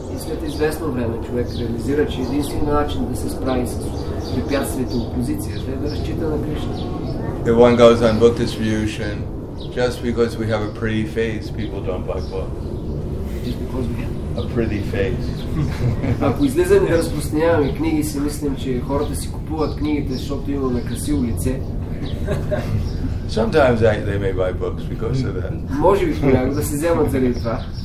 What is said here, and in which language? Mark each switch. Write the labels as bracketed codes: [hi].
[bg] И след известно време човек реализира, че единствено начин да се справи с препятствието опозицията е да разчита на Кришна. [en] If one goes on book distribution, just because we have a pretty face, people don't buy books. Just because we have a pretty face. [bg] Ако излизам и разпространяваме книги, си мислим, че хората си купуват книгите, защото имаме красиво лице. [en] Sometimes they may buy books because of that. [bg] Може би понякога да се вземат заради това.